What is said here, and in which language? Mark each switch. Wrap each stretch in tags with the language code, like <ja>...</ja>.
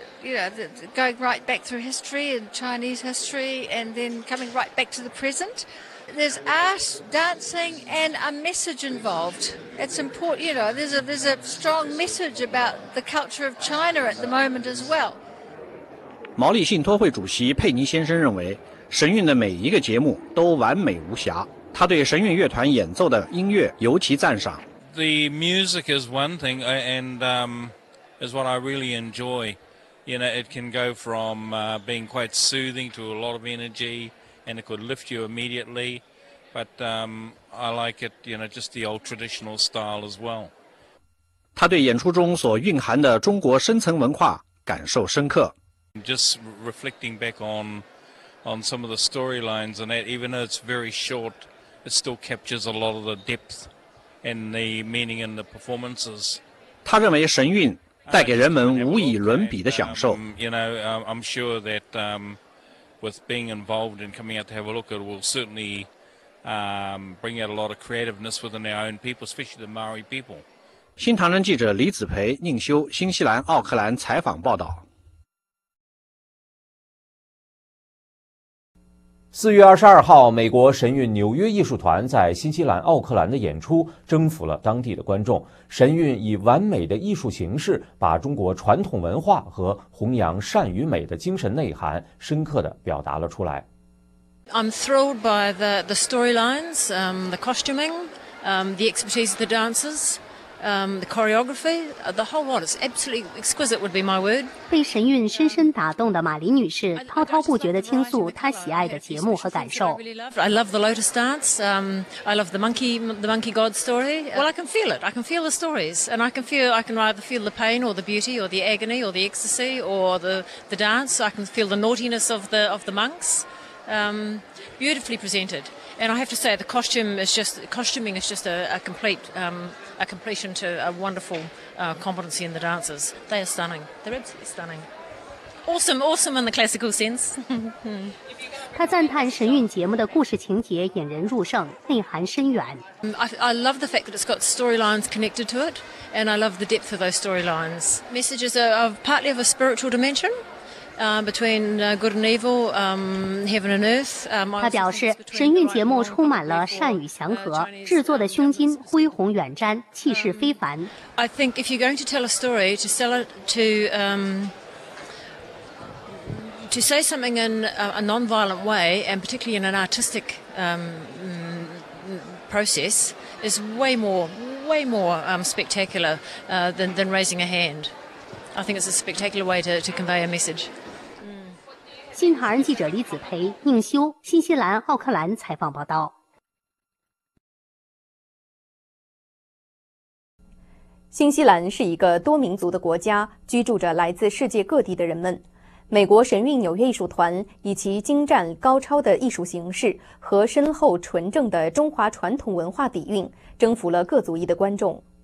<en>You know, going right back through history and Chinese history and then coming right back to the present. There's art, dancing and a message involved. It's important, you know, there's a strong message about the culture of China at the moment as well.</en> <zh>毛利信托会主席佩尼先生认为神韵的每一个节目都完美无瑕。他对神韵乐团演奏的音乐尤其赞赏。</zh> <en>The music is one thing and is what I really enjoy. You know, it can go from being quite soothing to a lot of energy, and it could lift you immediately. But I like it, you know, just the old traditional style as well.</en> <zh>他对演出中所蕴含的中国深层文化感受深刻。</zh> <en>Just reflecting back on some of the storylines and that, even though it's very short, it still captures a lot of the depth and the meaning in the performances.</en> <zh>他认为神韵带给人们无以伦比的享受。</zh> <en>You know, I'm sure that with being involved and coming out to have a look, it will certainly bring out a lot of creativeness within our own people, especially the Maori people.</en> <zh>新唐人记者李子培、宁修，新西兰奥克兰采访报道。 4月22号，美国神韵纽约艺术团在新西兰奥克兰的演出征服了当地的观众。神韵以完美的艺术形式，把中国传统文化和弘扬善与美的精神内涵，深刻地表达了出来。</zh> <en>I'm thrilled by the storylines, the costuming, the expertise of the dancers, the choreography, the whole lot. It's absolutely exquisite, would be my word.</en> <zh>被神韵深深打动的马林女士滔滔不绝地倾诉她喜爱的节目和感受。</zh> <en>I love the lotus dance. I love the monkey god story. Well, I can feel it. I can feel the stories, and I can either feel the pain or the beauty or the agony or the ecstasy or the dance. I can feel the naughtiness of the monks. Beautifully presented, and I have to say the costuming is just a completion to a wonderful competency in the dancers. They are stunning. They're absolutely stunning. Awesome in the classical sense.</en> <zh>他赞叹神韵节目的故事情节引人入胜，内涵深远。</zh> <en>I love the fact that it's got storylines connected to it, and I love the depth of those storylines. Messages are partly of a spiritual dimension. between good and evil, heaven and earth.</en> <zh>他表示，神韵节目充满了善与祥和，制作的胸襟恢宏远瞻，气势非凡。</zh> <en>I think if you're going to tell a story, to sell it to to say something in a non-violent way, and particularly in an artistic process, is way more spectacular than raising a hand. I think it's a spectacular way to convey a message.</en> <zh>新唐人记者李子培、宁修，新西兰奥克兰采访报道。新西兰是一个多民族的国家，居住着来自世界各地的人们。美国神韵纽约艺术团以其精湛高超的艺术形式和深厚纯正的中华传统文化底蕴，征服了各族裔的观众。</zh>